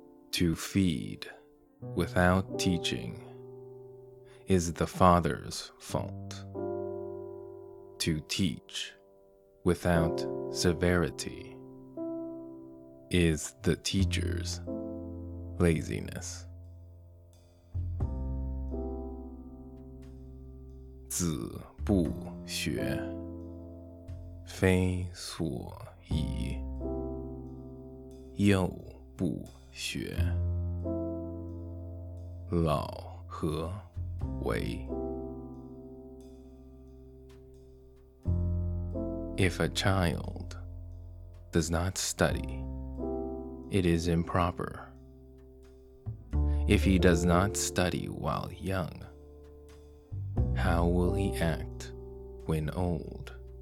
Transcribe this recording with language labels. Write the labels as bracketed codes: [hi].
[en] To feed without teaching is the father's fault. To teach without severity is the teacher's laziness. [zh] 子不学 非所宜 幼不学 老何为. [en] If a child does not study, it is improper. If he does not study while young, how will he act when old?